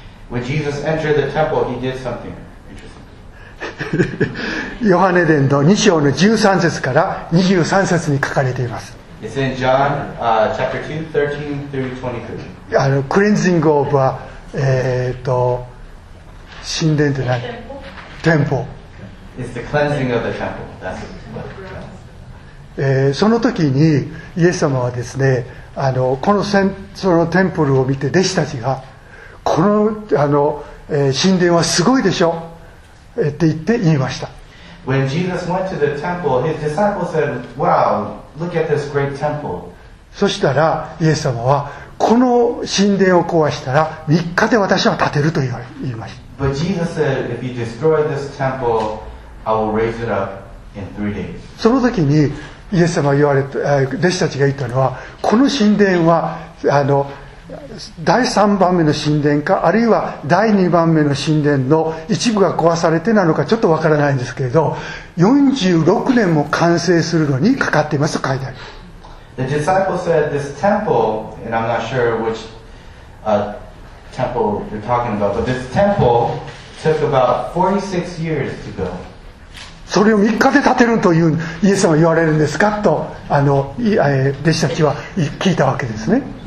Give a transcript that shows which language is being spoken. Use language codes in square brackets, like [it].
[en] When Jesus entered the temple, he did something. [ja] ヨハネ伝の2章の13節から23節に書かれています。 [en] It's in John, chapter 2, 13 through 23. [ja] クレンジングオブは、神殿って何、テンポ、 [en] It's the cleansing of the temple. That's what、 [ja] その時にイエス様はですね、そのテンプルを見て弟子たちがこ の, 神殿はすごいでしょって言って言いました。 [en] When Jesus went to the temple, his disciples said, Wow, look at this great temple. [ja] そしたらイエス様はこの神殿を壊したら3日で私は建てると言いました。 [en] But Jesus said, If you destroy this temple, I will raise it up in three days. [ja] その時にイエス様が言われた、弟子たちが言ったのは、この神殿は第3番目の神殿かあるいは第2番目の神殿の一部が壊されてなのかちょっとわからないんですけれど46年も完成するのにかかっていますと書いてあります。 [en] The disciple said this temple and I'm not sure which、temple you're talking about but this temple took about 46 years to build。 [ja] それを3日で建てるというイエス様は言われるんですかとあの弟子たちは聞いたわけですね。